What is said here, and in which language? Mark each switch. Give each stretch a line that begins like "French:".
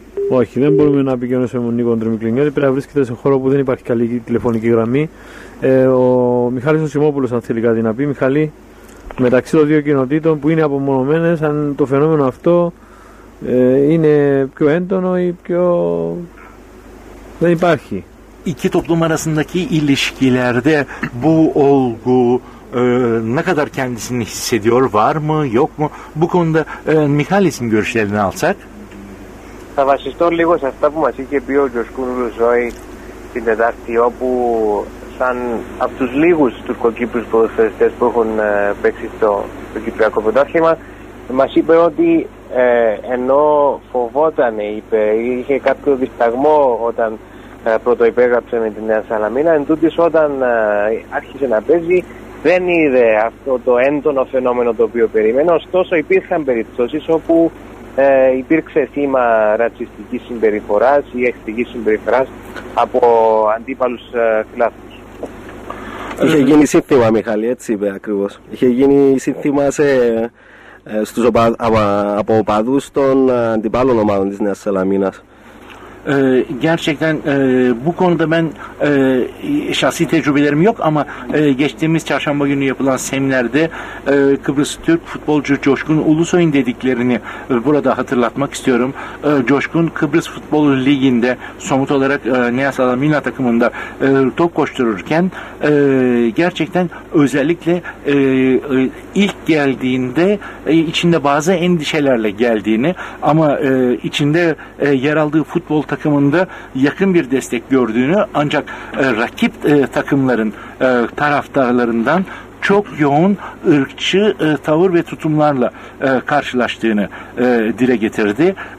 Greek: Όχι, δεν μπορούμε να επικοινωνήσουμε με τον Νίκο Τριμικλινιώτη. Πρέπει να βρίσκεται σε χώρο που δεν υπάρχει καλή τηλεφωνική γραμμή. Ο Μιχάλης Οσιμόπουλος, αν θέλει κάτι να πει. Μιχάλη, μεταξύ των δύο κοινοτήτων που είναι απομονωμένες, αν το φαινόμενο αυτό είναι πιο έντονο ή πιο. Δεν υπάρχει.
Turkish: İki toplum arasındaki ilişkilerde bu olgu ne kadar kendisini hissediyor, var mı, yok mu? Bu konuda Mihalis'in görüşlerini alsak.
Greek: Θα βασιστώ λίγο σε αυτά που μας είχε πει ο Γιος Κούνουλου Ζώη την Τετάρτη, όπου σαν από τους λίγους τουρκοκύπριους ποδοσφαιριστές που έχουν παίξει στο Κυπριακό Πρωτάθλημα, μας είπε ότι ενώ φοβότανε, είχε κάποιο δισταγμό όταν πρωτοϋπέγραψε με την Νέα Σαλαμίνα, εντούτοις όταν άρχισε να παίζει δεν είδε αυτό το έντονο φαινόμενο το οποίο περίμενε, ωστόσο υπήρχαν περιπτώσεις όπου υπήρξε θύμα ρατσιστικής συμπεριφοράς ή εχθρικής συμπεριφοράς από αντίπαλους φιλάθλους. Είχε γίνει σύνθημα, Μιχάλη, έτσι είπε ακριβώς. Είχε γίνει σύνθημα σε στους από οπαδούς των αντιπάλων ομάδων της Νέας Σαλαμίνας.
Turkish: Gerçekten bu konuda ben şahsi tecrübelerim yok ama geçtiğimiz çarşamba günü yapılan seminerde Kıbrıs Türk futbolcu Coşkun Ulusoy'un dediklerini burada hatırlatmak istiyorum. Coşkun Kıbrıs Futbol Ligi'nde somut olarak Neas Alamina takımında top koştururken gerçekten özellikle ilk geldiğinde içinde bazı endişelerle geldiğini ama içinde yer aldığı futbol takımında yakın bir destek gördüğünü ancak rakip takımların taraftarlarından çok yoğun ırkçı tavır ve tutumlarla karşılaştığını dire getirdi.